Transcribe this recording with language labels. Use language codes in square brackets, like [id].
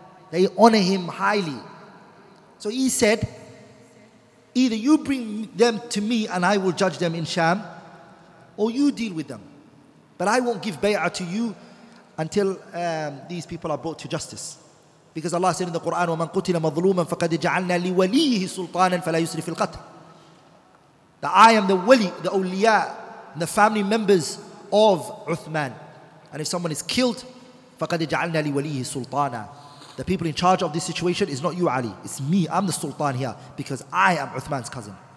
[en] They honor him highly. So he said, either you bring them to me and I will judge them in Sham, or you deal with them. But I won't give bay'ah to you until these people are brought to justice. Because Allah said in the Quran, [ar] وَمَنْ قُتِلَ مَظْلُومًا فَقَدْ جَعَلْنَا لِوَلِيهِ سُلْطَانًا فَلَا يُسْرِفِ الْقَتْلِ. [en] That I am the wali, the awliya, and the family members of Uthman. And if someone is killed, [ar] فَقَدْ جَعَلْنَا لِوَلِيهِ سُلْطَانًا. [en] The people in charge of this situation is not you, Ali. It's me. I'm the sultan here because I am Uthman's cousin.